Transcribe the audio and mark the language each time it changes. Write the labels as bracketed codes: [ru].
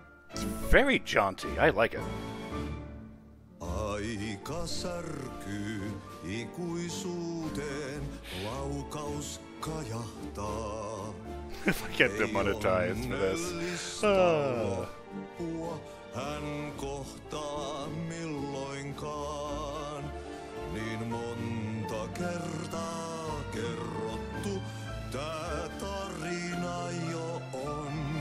[en] It's very jaunty, I like it. [fi] Aika särkyy ikuisuuteen, laukaus kajahtaa. [en] If I get demonetized for this. [fi] Loppua hän kohtaa milloinkaan, niin monta kertaa kerrottu tää tarina jo on.